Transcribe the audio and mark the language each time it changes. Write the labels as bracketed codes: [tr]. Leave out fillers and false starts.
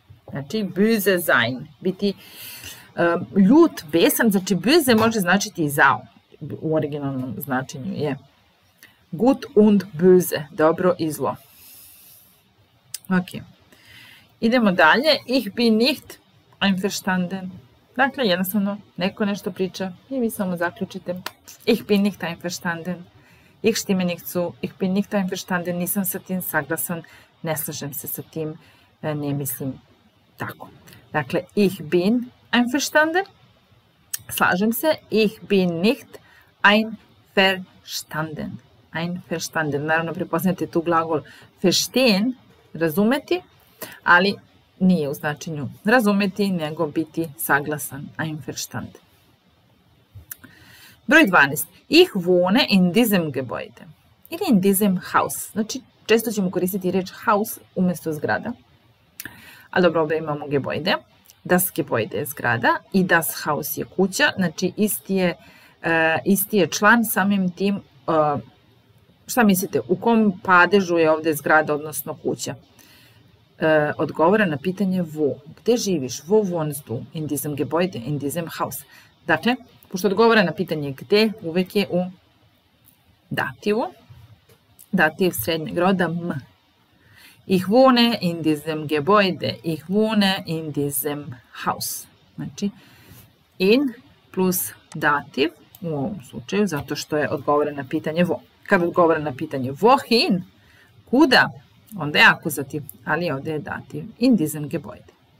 [sr] Znači, böse sein, biti ljut, besan. Znači, böse može značiti i zao u originalnom značenju. Je. [de] Gut und böse, [sr] dobro i zlo. Ok. Idemo dalje. [de] Ich bin nicht einverstanden. [sr] Dakle, jednostavno, neko nešto priča i vi samo zaključite. [de] Ich bin nicht einverstanden. Ich stimme nicht zu. Ich bin nicht einverstanden. [sr] Nisam sa tim saglasan. Ne slažem se sa tim. Ne mislim tako. Dakle, [de] ich bin einverstanden. [sr] Slažem se. [de] Ich bin nicht einverstanden. [sr] Einverstanden. Naravno, prepoznajte tu glagol verstehen, razumeti, ali nije u značenju razumeti, nego biti saglasan. Einverstanden. Broj 12. [de] Ich wohne in diesem Gebäude. [sr] Ili [de] in diesem Haus. [sr] Znači, često ćemo koristiti reč Haus umjesto zgrada. A dobro, ovdje imamo Gebäude. Das Gebäude je zgrada i das Haus je kuća. Znači, isti je član samim tim. Šta mislite, u kom padežu je ovdje zgrada, odnosno kuća? Odgovora na pitanje wo. Gdje živiš? [de] Wo wohnst du? In diesem Gebäude, in diesem Haus. [sr] Dakle, pošto odgovara na pitanje gdje, uvijek je u dativu. Dativ srednjeg roda m. [de] Ich wohne in diesem Gebäude. Ich wohne in diesem Haus. [sr] Znači, in plus dativ u ovom slučaju, zato što je odgovara na pitanje wo. Kad odgovara na pitanje wohin, kuda, onda je akuzativ, ali ovdje je dativ [de] in diesem Gebäude.